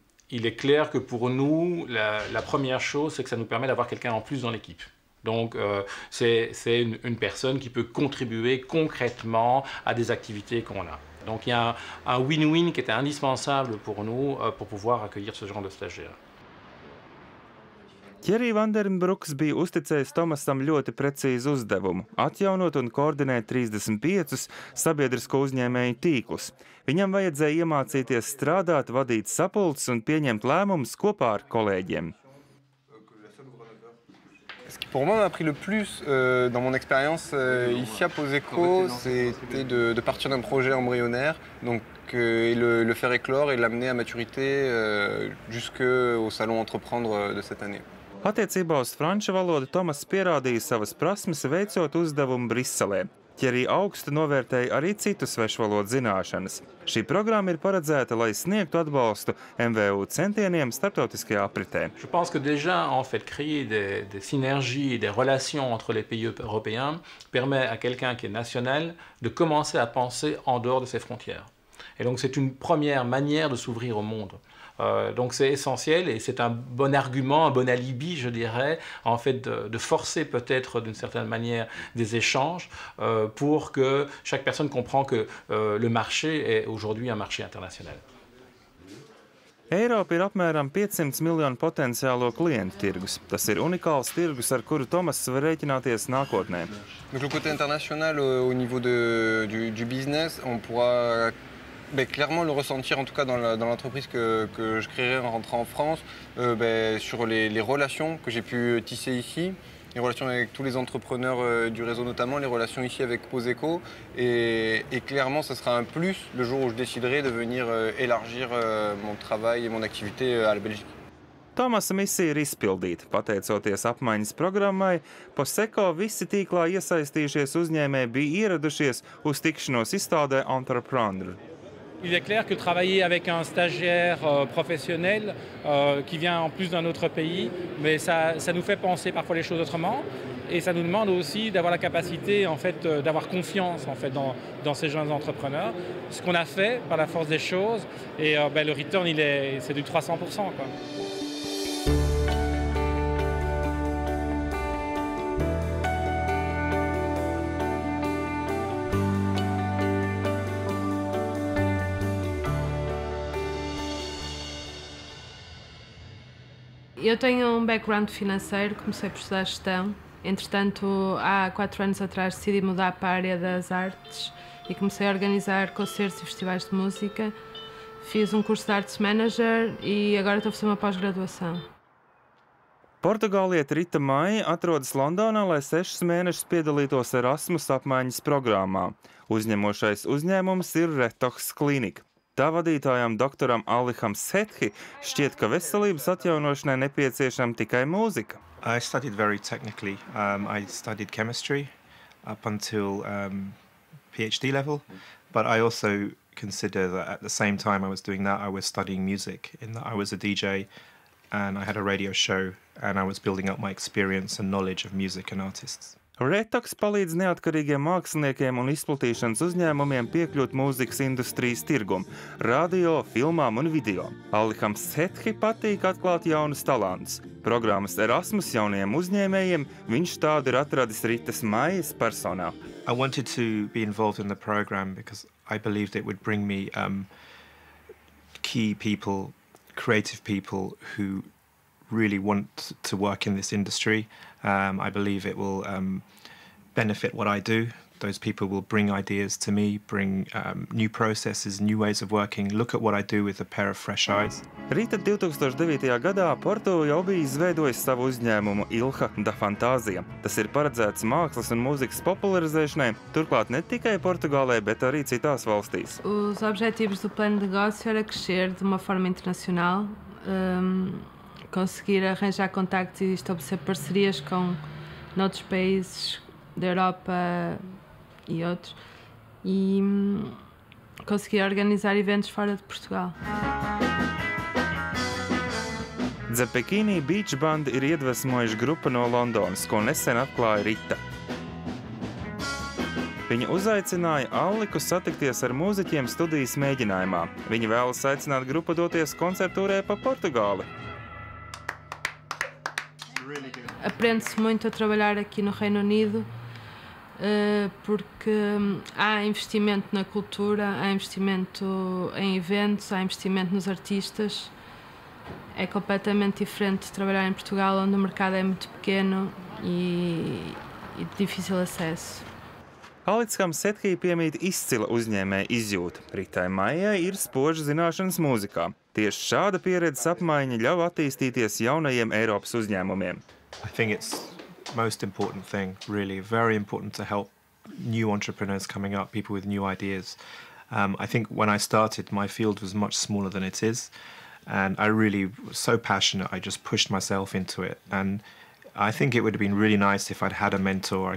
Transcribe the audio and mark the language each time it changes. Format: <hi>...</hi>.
<fr>Il est clair que pour nous, la première chose, c'est que ça nous permet d'avoir quelqu'un en plus dans l'équipe. Donc c'est une personne qui peut contribuer concrètement à des activités qu'on a. Donc il y a un win-win qui était indispensable pour nous pour pouvoir accueillir ce genre de stagiaire.</fr> <lv>Thierry Vandenbroek bija uzticējis Tomasam ļoti precīzu uzdevumu – atjaunot un koordinēt 35 sabiedrisko uzņēmēju tīklus. Viņam vajadzēja iemācīties strādāt, vadīt sapulces un pieņemt lēmumus kopā ar kolēģiem.</lv> <fr>Ce qui pour moi m'a pris le plus dans mon expérience ici à Posecco, c'était de partir d'un projet embryonnaire donc, et le faire éclore et l'amener à maturité jusqu'au salon entreprendre de cette année.</fr> <lv>Attiecībā uz franču valodu Tomas pierādīja savas prasmes veicot uzdevumu Briselē. Ķerī augstu novērtēja arī citu svešu valodu zināšanas. Šī programma ir paredzēta, lai sniegtu atbalstu MVU centieniem starptautiskajā apritē.</lv> <fr>Je pense que déjà en fait créer des synergies, des relations entre les pays européens permet à quelqu'un qui est national de commencer à penser en dehors de ses frontières. Et donc c'est une première manière de s'ouvrir au monde. Donc c'est essentiel et c'est un bon argument, un bon alibi, je dirais, en fait de forcer peut-être d'une certaine manière des échanges pour que chaque personne comprend que le marché est aujourd'hui un marché international.</fr> <lv>Eiropa ir apmēram 500 miljonu potenciālo klientu tirgus. Tas ir unikāls tirgus, ar kuru Tomas var rēķināties nākotnē.</lv> <fr>Donc le côté international au niveau du business, on pourra Mais clairement le ressentir en tout cas dans l'entreprise que je créerai en rentrant en France sur les relations que j'ai pu tisser ici les relations avec tous les entrepreneurs du réseau notamment, les relations ici avec Poseco. Et clairement, ce sera un plus le jour où je déciderai de venir élargir mon travail et mon activité à la Belgique.</fr> <lv>Tomasa misija ir izpildīta. Pateicoties apmaiņas programmai, Poseco visi tīklā iesaistījušies uzņēmēji bija ieradušies uz tikšanos izstādē Entrepreneur.</lv> <fr>Il est clair que travailler avec un stagiaire professionnel qui vient en plus d'un autre pays, mais ça nous fait penser parfois les choses autrement et ça nous demande aussi d'avoir la capacité en fait d'avoir confiance en fait dans ces jeunes entrepreneurs. Ce qu'on a fait par la force des choses et le return c'est du 300% quoi.</fr> <pt>Eu tenho um background financeiro, comecei por estudar gestão. Entretanto, há 4 anos atrás decidi mudar para a área das artes e comecei a organizar concertos e festivais de música. Fiz um curso de Arts Manager e agora estou a fazer uma pós-graduação.</pt> <lv>Portugālieta Rita Maija atrodas Londonā, lai 6 mēnešus piedalītos Erasmus apmaiņas programmā. Uzņemošais uzņēmums ir Retox Clinic. Tā vadītājām doktoram Aliham Sethi šķiet, ka veselības atjaunošanai nepieciešama tikai mūzika.</lv> <en>I studied very technically. I studied chemistry up until PhD level, but I also consider that at the same time I was doing that, I was studying music in that I was a DJ and I had a radio show and I was building up my experience and knowledge of music and artists.</en> <lv>Retox palīdz neatkarīgiem māksliniekiem un izplatīšanas uzņēmumiem piekļūt mūzikas industrijas tirgum – radio, filmām un video. Aliham Sethi patīk atklāt jaunus talantus. Programmas Erasmus jaunajiem uzņēmējiem viņš tādu ir atradis Ritas Maijas personā.</lv> <en>I wanted to be involved in the program because I believed it would bring me key people, creative people who really want to work in this industry. I believe it will benefit what I do. Those people will bring ideas to me, bring new processes, new ways of working. Look at what I do with a pair of fresh eyes.</en> <lv>Rita 2009. Gadā Porto jau bija izveidojis savu uzņēmumu Ilha da Fantasia. Tas ir paredzēts mākslas un mūzikas popularizēšanai, turklāt ne tikai Portugālē, bet arī citās valstīs.</lv> <pt>Os objetivos do plano de negócio era crescer de uma forma internacional. Conseguir arranjar contactos e estabelecer parcerias com outros países da Europa e outros. E conseguir organizar eventos fora de Portugal.</pt> <lv>The Bikini Beach Band ir iedvesmojuši grupa no Londonas, ko nesen atklāja Rita. Viņa uzaicināja Aliku satikties ar mūziķiem studijas mēģinājumā. Viņa vēlas aicināt grupu doties koncertūrē pa Portugāli.</lv> <pt>Aprende-se muito a trabalhar aqui no Reino Unido porque há investimento na cultura, há investimento em eventos, há investimento nos artistas. É completamente diferente de trabalhar em Portugal, onde o mercado é muito pequeno e de difícil acesso.</pt> <lv>Alickam Sethi piemīt izcila uzņēmēja izjūta. Ritai Maijai ir spoža zināšanas mūzikā. Tieši šāda pieredzes apmaiņa ļauj attīstīties jaunajiem Eiropas uzņēmumiem.</lv> <en>I think it's most important thing, really very important to help new entrepreneurs coming up, people with new ideas. I think when I started, my field was much smaller than it is, and I really was so passionate, I just pushed myself into it. And I think it would have been really nice if I'd had a mentor.</en>